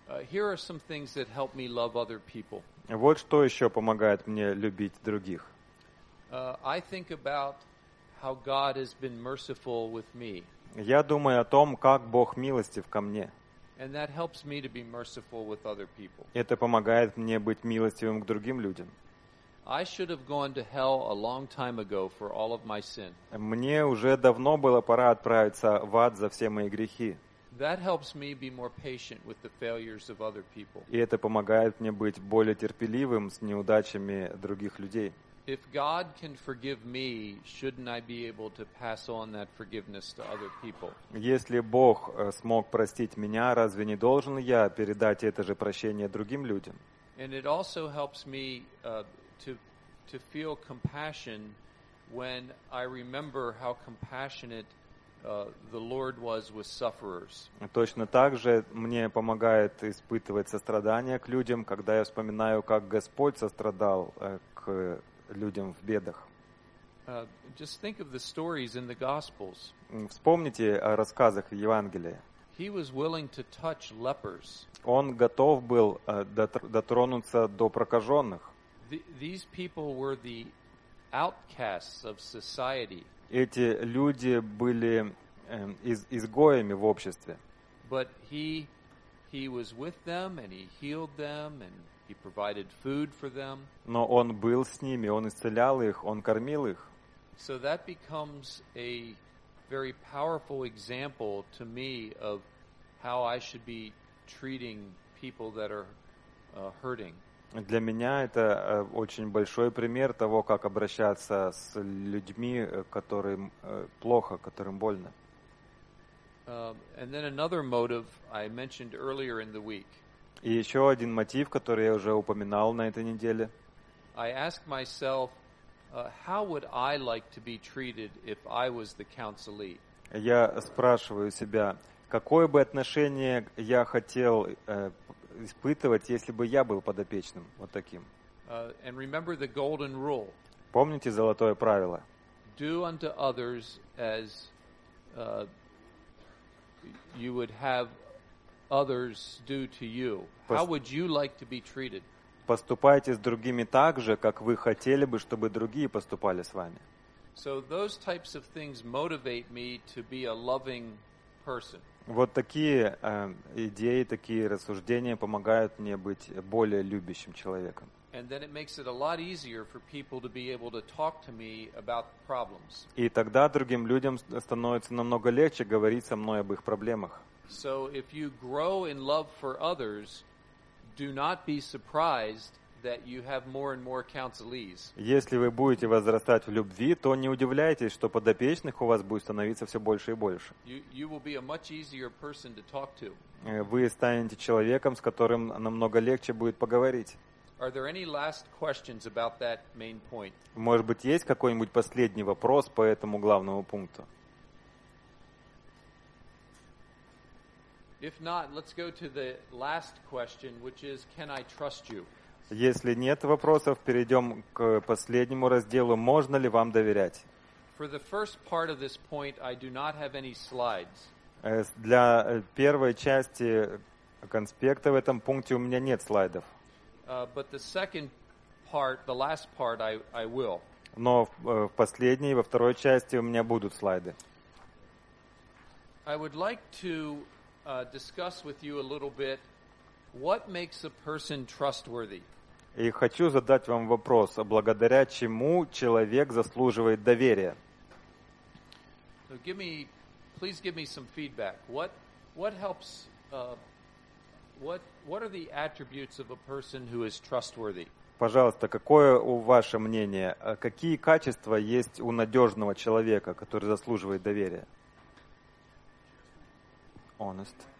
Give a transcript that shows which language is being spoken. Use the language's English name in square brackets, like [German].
[English] Here are some things that help me love other people. [Russian] Вот что еще помогает мне любить других. [English] I think about how God has been merciful with me. [Russian] Я думаю о том, как Бог милостив ко мне. [English] And that helps me to be merciful with other people. [Russian] Это помогает мне быть милостивым к другим людям. [English] I should have gone to hell a long time ago for all of my sin. [Russian] Мне уже давно было пора отправиться в ад за все мои грехи. [English] That helps me be more patient with the failures of other people. [Russian] И это помогает мне быть более терпеливым с неудачами других людей. [English] If God can forgive me, shouldn't I be able to pass on that forgiveness to other people? [Russian] Если Бог смог простить меня, разве не должен я передать это же прощение другим людям? [English] And it also helps me to feel compassion when I remember how compassionate the Lord was with sufferers. [Russian] Точно так же мне помогает испытывать сострадание к людям, когда я вспоминаю, как Господь сострадал к людям в бедах. [English] Just think of the stories in the Gospels. [Russian] Вспомните о рассказах в Евангелии. [English] He was willing to touch lepers. [Russian] Он готов был дотронуться до прокаженных. [English] These people were the outcasts of society. [Russian] Эти люди были изгоями в обществе. [English] But he was with them and he healed them and he provided food for them. [Russian] Но он был с ними, он исцелял их, он кормил их. [English] So that becomes a very powerful example to me of how I should be treating people that are hurting. [Russian] Для меня это очень большой пример того, как обращаться с людьми, которым плохо, которым больно. [English] And then another motive I mentioned earlier in the week. [Russian] И еще один мотив, который я уже упоминал на этой неделе. [English] I ask myself, how would I like to be treated if I was the counselee? [Russian] Я спрашиваю себя, какое бы отношение я хотел испытывать, если бы я был подопечным вот таким. [English] And remember the golden rule. [Russian] Помните золотое правило. [English] Do unto others as you would have others do to you. How would you like to be treated? [Russian] Поступайте с другими так же, как вы хотели бы, чтобы другие поступали с вами. [English] So those types of things motivate me to be a loving person. [Russian] Вот такие идеи, такие рассуждения помогают мне быть более любящим человеком. [English] And then it makes it a lot easier for people to be able to talk to me about problems. [Russian] И тогда другим людям становится намного легче говорить со мной об их проблемах. [English] So if you grow in love for others, do not be surprised that you have more and more counselees. [Russian] Если вы будете возрастать в любви, то не удивляйтесь, что подопечных у вас будет становиться все больше и больше. [English] You will be a much easier person to talk to. [Russian] Вы станете человеком, с которым намного легче будет поговорить. [English] Are there any last questions about that main point? [Russian] Может быть, есть какой-нибудь последний вопрос по этому главному пункту? [English] If not, let's go to the last question, which is, can I trust you? [Russian] Если нет вопросов, перейдем к последнему разделу. Можно ли вам доверять? [English] For the first part of this point, I do not have any slides. [Russian] Для первой части конспекта в этом пункте у меня нет слайдов. [English] But the second part, the last part, I will. [Russian] Но в последней, во второй части у меня будут слайды. [English] I would like to discuss with you a little bit. What makes a person trustworthy? [Russian] И хочу задать вам вопрос, благодаря чему человек заслуживает доверия. [English] So please give me some feedback. What helps what are the attributes of a person who is trustworthy? [Russian] Пожалуйста, какое ваше мнение, какие качества есть у надежного человека, который заслуживает доверия? [English] Honest.